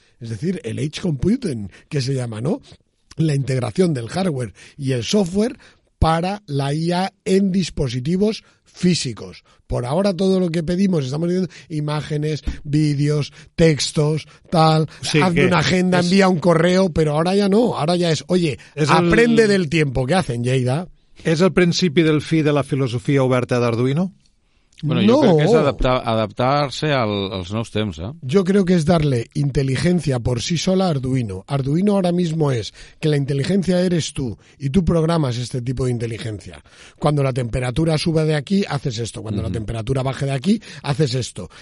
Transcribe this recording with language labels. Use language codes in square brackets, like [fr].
[es] Es decir, el edge computing, que se llama, ¿no? La integración del hardware y el software para la IA en dispositivos físicos. Por ahora todo lo que pedimos, estamos viendo imágenes, vídeos, textos, tal, sí, hazme una agenda, envía un correo, pero ahora ya no, ahora ya es, oye, aprende del tiempo, ¿qué hacen, Lleida? [ca] És el principi del fi de la filosofia oberta d'Arduino? [es] Bueno, yo creo que es adaptarse a los nuevos temas, ¿eh? Yo creo que es darle inteligencia por sí sola a Arduino. Arduino ahora mismo es que la inteligencia eres tú y tú programas este tipo de inteligencia. Cuando la temperatura sube de aquí, haces esto. Cuando la temperatura baje de aquí, haces esto.